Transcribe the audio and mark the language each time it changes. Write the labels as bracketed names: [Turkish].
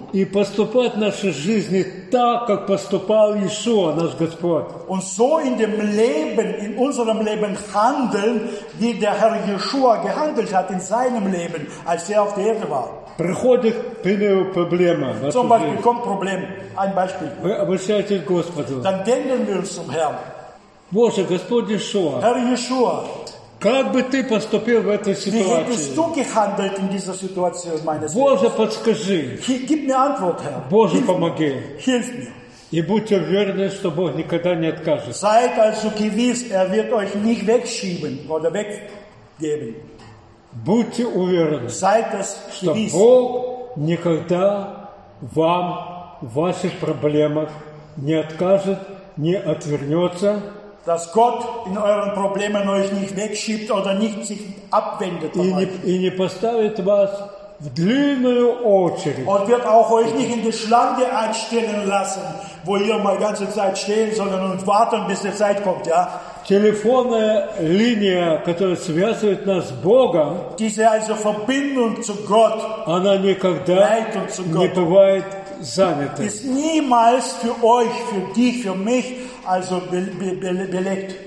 [Russian] И поступать в нашей жизни так, как поступал Иешуа, наш Господь. [German] Und so in dem Leben, in unserem Leben handeln, wie der Herr Иешуа gehandelt hat in seinem Leben, als er auf der Erde war. [Russian] Приходит к нему проблема. [German] Zum Beispiel kommt Problem. Ein Beispiel. [Russian] Вы обращаетесь к Господу. [German] Dann denken wir uns zum Herrn. [Russian] Боже, Господь Иешуа. [German] Herr Иешуа. [Russian] Как бы ты поступил в этой ситуации? Ситуации Боже, подскажи. [German] Antwort, Herr. [Russian] Боже, [German] hilf [Russian] помоги. [German] Hilf mir. [Russian] И будьте уверены, что Бог никогда не откажет. [German] Seid also gewiss, wird euch nicht wegschieben oder weggeben. [Russian] Будьте уверены, [German] seid es [Russian] что [German] gewiss. [Russian] Бог никогда вам в ваших проблемах не откажет, не отвернется. [German] Dass Gott in euren Problemen euch nicht wegschiebt oder nicht sich abwendet von euch. Und wird auch euch nicht in die Schlange einstellen lassen, wo ihr mal ganze Zeit stehen, sondern und warten, bis die Zeit kommt, ja? [Russian] Телефонная линия, которая связывает нас с Богом, [German] diese also Verbindung zu Gott, [Russian] она никогда [German] Leitung zu Gott, [Russian] не бывает занята. [German] Ist niemals für euch, für dich, für mich, also belegt.